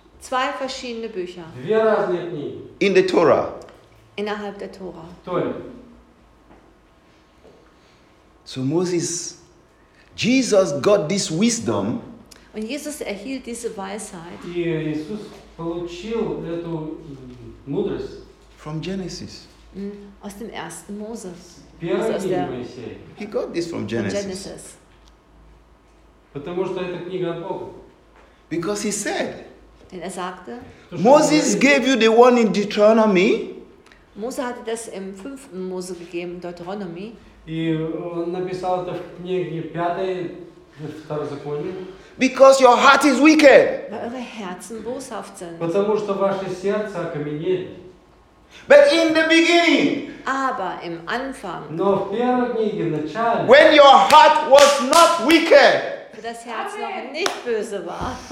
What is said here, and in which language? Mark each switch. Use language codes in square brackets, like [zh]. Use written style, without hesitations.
[de] Zwei verschiedene Bücher. [en] In the Torah. [de] Innerhalb der Torah. [en] So Moses, Jesus got this wisdom. [de] Und Jesus erhielt diese Weisheit. [ru] Jesus получил эту мудрость. [en] From Genesis. [de] Aus dem ersten Moses. [en] He got this from Genesis. [ru] Потому что эта книга от Бога. [en] Because he said. [de] Denn er sagte. [en] Moses gave you the one in Deuteronomy. [de] Mose hatte das im 5. Mose gegeben, Deuteronomy. [ru] И он написал это в книге 5-й, Второзаконие. [en] Because your heart is wicked. [de] Weil eure Herzen boshaft sind. [ru] Потому что ваше сердце окаменело. [en] But in the beginning. [de] Aber im Anfang. [ru] Но в первом дне, в начале. [en] When your heart was not wicked. [de] Das Herz noch nicht böse war.